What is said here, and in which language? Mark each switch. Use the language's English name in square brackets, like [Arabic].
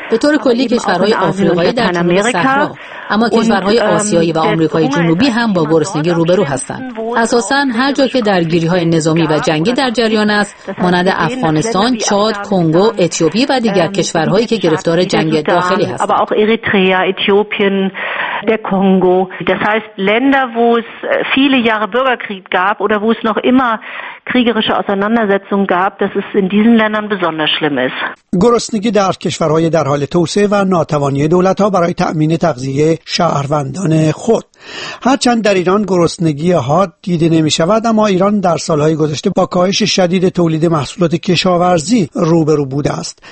[Persian] به طور کلی کشورهای آفریقایی در جنوب صحرا، اما کشورهای آسیایی و آمریکای جنوبی هم با گرسنگی روبرو هستند. اساساً هر جا که درگیری‌های نظامی و جنگی در جریان است، مانند افغانستان، چاد، کنگو، اتیوپی و دیگر کشورهایی که گرفتار جنگ داخلی هستند. [German] aber auch Eritrea, Äthiopien, der Kongo. Das heißt Länder, wo es viele Jahre Bürgerkrieg gab oder wo es noch immer kriegerische Auseinandersetzungen gab, dass es in diesen Ländern besonders schlimm ist. [Persian] گرسنگی در کشورهای در حال توسعه و ناتوانی دولت‌ها برای تأمین تغذیه شهروندان خود. هرچند در ایران گرسنگی حاد دیده نمی‌شود، اما ایران در سال‌های گذشته با کاهش شدید تولید محصولات کشاورزی روبرو بوده است.